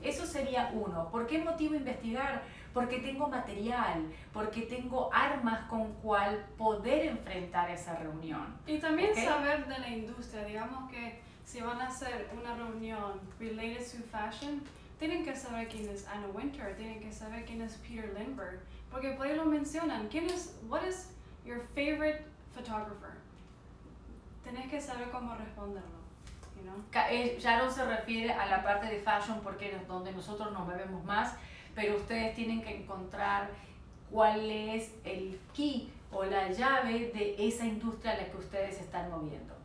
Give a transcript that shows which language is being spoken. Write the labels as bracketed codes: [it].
[es] Eso sería uno. ¿Por qué motivo investigar? Porque tengo material, porque tengo armas con cual poder enfrentar esa reunión. Y también, ¿okay?, saber de la industria. Digamos que si van a hacer una reunión [en] related to fashion, [es] tienen que saber quién es Anna Wintour, tienen que saber quién es Peter Lindbergh, porque por ahí lo mencionan. ¿Quién es? [en] What is your favorite photographer? [es] Tenés que saber cómo responderlo, [en] you know? [es] Ya no se refiere a la parte de fashion porque es donde nosotros nos vemos más, pero ustedes tienen que encontrar cuál es el key o la llave de esa industria a la que ustedes están moviendo.